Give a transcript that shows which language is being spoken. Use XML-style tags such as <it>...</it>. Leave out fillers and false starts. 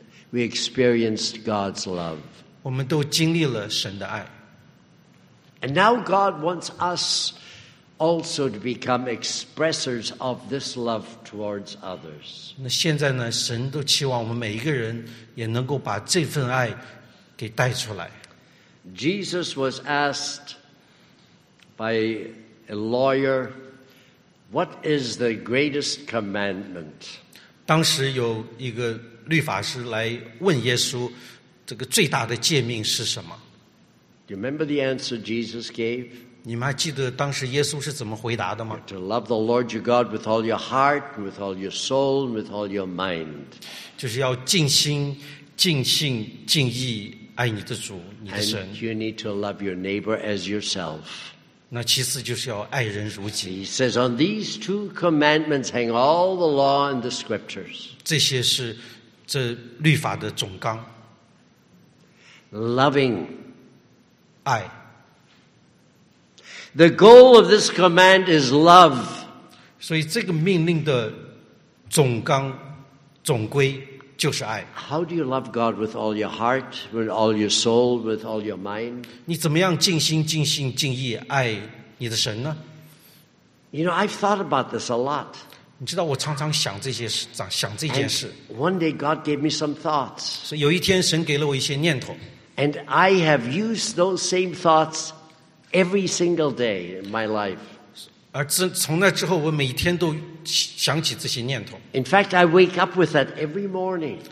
<en>We experienced God's love.</en> <zh>我们都经历了神的爱。</zh> <en>And now God wants us also to become expressors of this love towards others.</en> <zh>那现在呢，神都期望我们每一个人也能够把这份爱给带出来。</zh> <en>Jesus was asked by a lawyer, "What is the greatest commandment?"</en> <zh>当时有一个律法师来问耶稣，这个最大的诫命是什么？</zh> <en>Do you remember the answer Jesus gave?</en> <zh>你们还记得当时耶稣是怎么回答的吗？</zh> <en>To love the Lord your God with all your heart, with all your soul, with all your mind.</en> <zh>就是要尽心、尽性、尽意爱你的主、你的神。</zh> <en>And you need to love your neighbor as yourself.</en> <zh>那其次就是要爱人如己。</zh> <en>He says, on these two commandments hang all the law and the scriptures.</en> <zh>这些是这律法的总纲。</zh> <en>Loving.</en> <zh>爱。</zh> <en>The goal of this command is love.</en> <zh>所以这个命令的总纲、总归就是爱。</zh> <en>How do you love God with all your heart, with all your soul, with all your mind?</en> <zh>你怎么样尽心、尽性、尽意爱你的神呢？</zh> <en>You know, I've thought about this a lot.</en> <zh>你知道我常常想这些事，想这件事。</zh> <en>And one day God gave me some thoughts.</en> <zh>所以有一天神给了我一些念头。</zh> <en>And I have used those same thoughts every single day in my life.</en> <zh>而从那之后，我每天都想起这些念头。</zh> <en>In fact, I wake up with that every morning.</en>